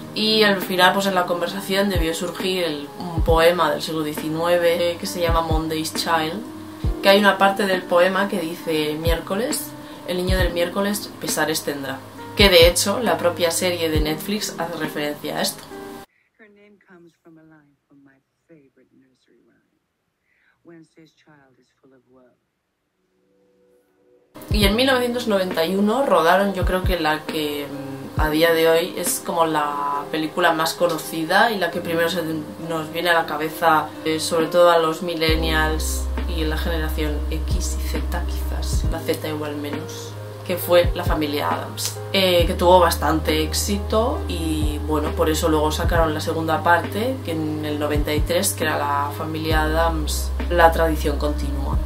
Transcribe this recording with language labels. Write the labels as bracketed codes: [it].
[es] Y al final, pues en la conversación debió surgir un poema del siglo XIX que se llama Monday's Child. Que hay una parte del poema que dice miércoles, el niño del miércoles pesares tendrá. Que de hecho la propia serie de Netflix hace referencia a esto. [en] Her name comes from a line from my favorite nursery rhyme. Wednesday's child is full of woe. [es] Y en 1991 rodaron, yo creo que la que a día de hoy es como la película más conocida y la que primero se nos viene a la cabeza, sobre todo a los millennials y la generación X y Z, quizás, la Z igual menos, que fue La familia Addams, que tuvo bastante éxito y bueno, por eso luego sacaron la segunda parte, que en el 93, que era La familia Addams, la tradición continúa.